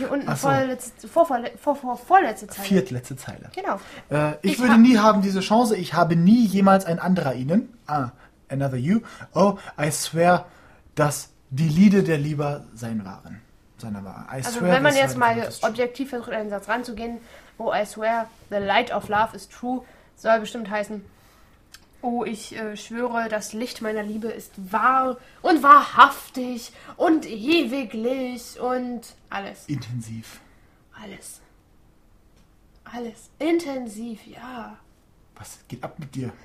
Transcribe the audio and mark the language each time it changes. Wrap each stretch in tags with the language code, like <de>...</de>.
<de>Hier unten vorletzte Zeile. Viertletzte Zeile. Genau. Ich würde nie haben diese Chance. Ich habe nie jemals ein anderer ihnen. Ah,</de> <en>another you. Oh, I swear,</en> <de>dass die Lieder der Liebe sein waren. Seiner war. Also swear, wenn man jetzt mal objektiv versucht, einen Satz ranzugehen.</de> <en>Oh, I swear, the light of love is true.</en> <de>Soll bestimmt heißen... Oh, ich schwöre, das Licht meiner Liebe ist wahr und wahrhaftig und ewiglich und alles. Intensiv. Alles. Alles. Intensiv, ja. Was geht ab mit dir?</de>